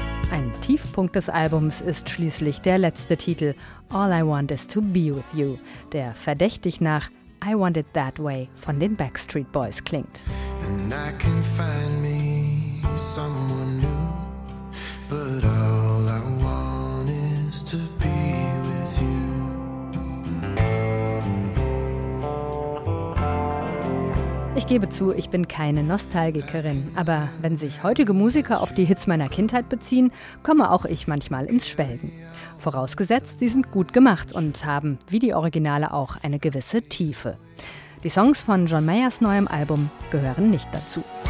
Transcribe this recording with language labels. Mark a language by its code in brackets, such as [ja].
[de] Ein Tiefpunkt des Albums ist schließlich der letzte Titel, All I Want Is To Be With You, der verdächtig nach I Want It That Way von den Backstreet Boys klingt. [en] And I can find me someone new, but all I want is to be with you. [de] Ich gebe zu, ich bin keine Nostalgikerin, aber wenn sich heutige Musiker auf die Hits meiner Kindheit beziehen, komme auch ich manchmal ins Schwelgen. Vorausgesetzt, sie sind gut gemacht und haben, wie die Originale auch, eine gewisse Tiefe. Die Songs von John Mayers neuem Album gehören nicht dazu.